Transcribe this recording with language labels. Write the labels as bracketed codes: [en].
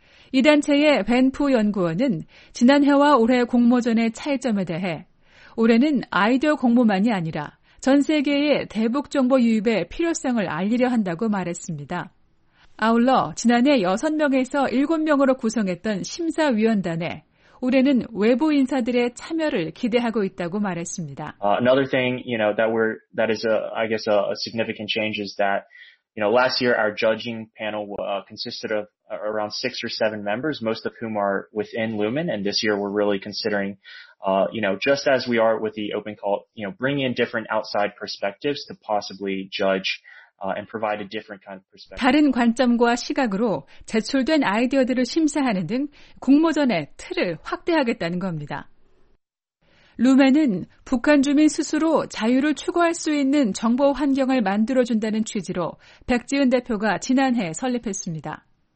[ko] 이 단체의 벤푸 연구원은 지난해와 올해 공모전의 차이점에 대해 올해는 아이디어 공모만이 아니라 전 세계의 대북 정보 유입의 필요성을 알리려 한다고 말했습니다. 아울러 지난해 6명에서 7명으로 구성했던 심사위원단에 올해는 외부 인사들의 참여를 기대하고 있다고 말했습니다. [en] Another thing, you know, that is a significant change is that, you know, last year our judging panel consisted of around 6 or 7 members, most of whom are within Lumen, and this year we're really considering, you know, just as we are with the open call, you know, bring in different outside perspectives to possibly judge. And provide a different kind of perspective. [ko] 다른 관점과 시각으로 제출된 아이디어들을 심사하는 등 공모전의 틀을 확대하겠다는 겁니다. 루멘은 북한 주민 스스로 자유를 추구할 수 있는 정보 환경을 만들어준다는 취지로 백지은 대표가 지난해 설립했습니다.